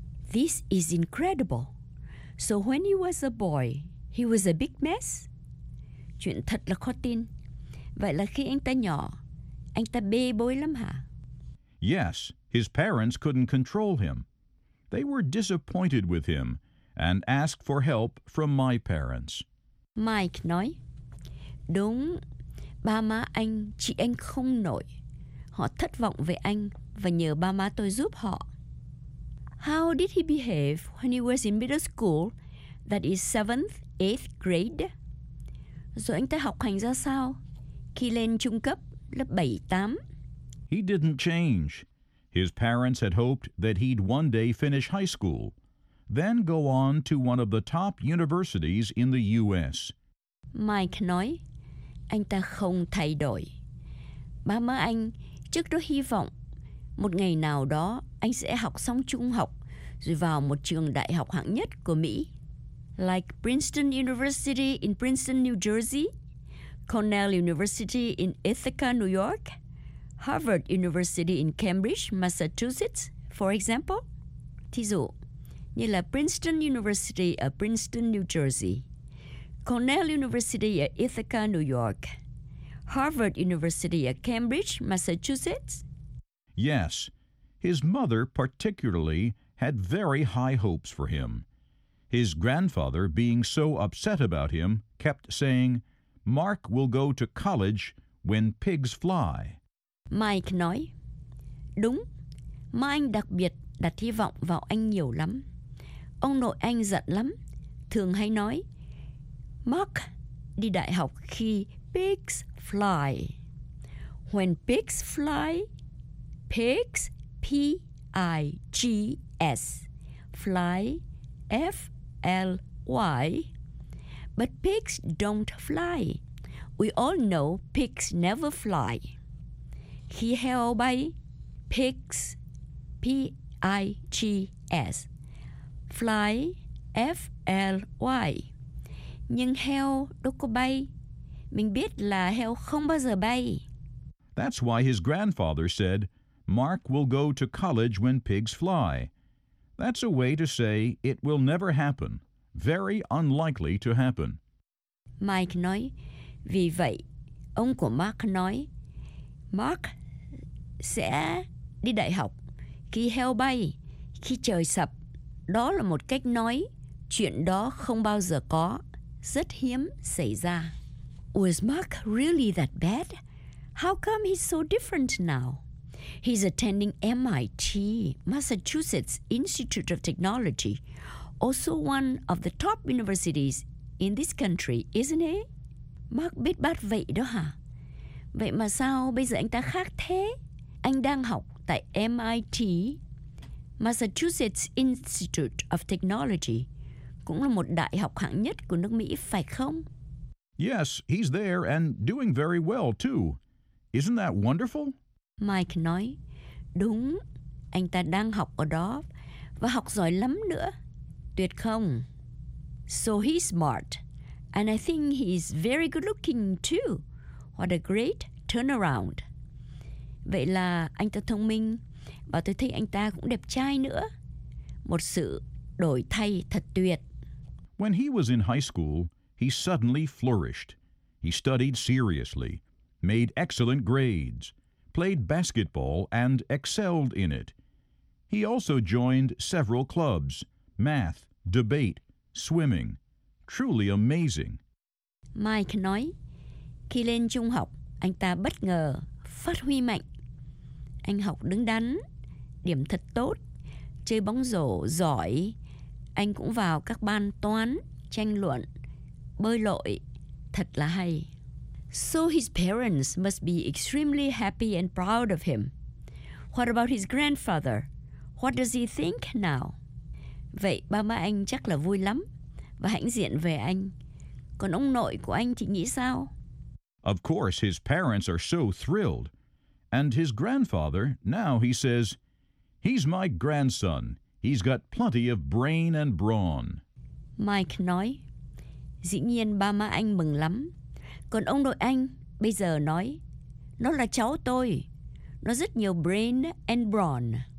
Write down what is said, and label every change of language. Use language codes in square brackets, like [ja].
[en] This is incredible. So when he was a boy, he was a big mess? [vi] Chuyện thật là khó tin. Vậy là khi anh ta nhỏ, anh ta bê bối lắm hả? [en] Yes, his parents couldn't control him. They were disappointed with him and asked for help from my parents. [vi] Mike nói, đúng, ba má anh, chị anh không nổi. Họ thất vọng về anh và nhờ ba má tôi giúp họ. [en] How did he behave when he was in middle school, that is 7th, 8th grade? [vi] Rồi anh ta học hành ra sao? Khi lên trung cấp, lớp 7, 8. [en] He didn't change. His parents had hoped that he'd one day finish high school, then go on to one of the top universities in the U.S. [vi] Mike nói, anh ta không thay đổi. Ba má anh trước đó hy vọng một ngày nào đó anh sẽ học xong trung học rồi vào một trường đại học hạng nhất của Mỹ. [en] Like Princeton University in Princeton, New Jersey, Cornell University in Ithaca, New York, Harvard University in Cambridge, Massachusetts, for example. [vi] Thí dụ, như là Princeton University ở Princeton, New Jersey, Cornell University ở Ithaca, New York, Harvard University at Cambridge, Massachusetts? [en] Yes. His mother particularly had very high hopes for him. His grandfather, being so upset about him, kept saying, Mark will go to college when pigs fly. [vi] Mike nói, đúng, má anh đặc biệt đặt hy vọng vào anh nhiều lắm. Ông nội anh giận lắm, thường hay nói, Mark đi đại học khi [en] pigs fly. When pigs fly, pigs, P-I-G-S, fly, F-L-Y. But pigs don't fly. We all know pigs never fly. [vi] Khi heo bay, [en] pigs, P-I-G-S, fly, F-L-Y. [vi] Nhưng heo đâu có bay. Mình biết là heo không bao giờ bay. [en] That's why his grandfather said, Mark will go to college when pigs fly. That's a way to say it will never happen. Very unlikely to happen. [vi] Mike nói, vì vậy, ông của Mark nói, Mark sẽ đi đại học khi heo bay, khi trời sập. Đó là một cách nói, chuyện đó không bao giờ có, rất hiếm xảy ra. [en] Was Mark really that bad? How come he's so different now? He's attending MIT, Massachusetts Institute of Technology, also one of the top universities in this country, isn't he? [vi] Mark bit bad vậy đó hả? Vậy mà sao bây giờ anh ta khác thế? Anh đang học tại MIT, Massachusetts Institute of Technology, cũng là một đại học hạng nhất của nước Mỹ, phải không? [en] Yes, he's there and doing very well, too. Isn't that wonderful? [vi] Mike nói, đúng, anh ta đang học ở đó và học giỏi lắm nữa. Tuyệt không? [en] So he's smart, and I think he's very good-looking, too. What a great turnaround. [vi] Vậy là anh ta thông minh và tôi thấy anh ta cũng đẹp trai nữa. Một sự đổi thay thật tuyệt. [en] When he was in high school, he suddenly flourished. He studied seriously, made excellent grades, played basketball, and excelled in it. He also joined several clubs, math, debate, swimming. Truly amazing. [vi] Mike nói, khi lên trung học, anh ta bất ngờ phát huy mạnh. Anh học đứng đắn, điểm thật tốt, chơi bóng rổ giỏi. Anh cũng vào các ban toán, tranh luận, bơi lội, thật là hay. [en] So his parents must be extremely happy and proud of him. What about his grandfather? What does he think now? [vi] Vậy ba má anh chắc là vui lắm và hãnh diện về anh. Còn ông nội của anh thì nghĩ sao? [en] Of course, his parents are so thrilled. And his grandfather, now he says, he's my grandson. He's got plenty of brain and brawn. [vi] Mike nói, dĩ nhiên ba má anh mừng lắm. Còn ông nội anh bây giờ nói, nó là cháu tôi. Nó rất nhiều [en] brain and brawn.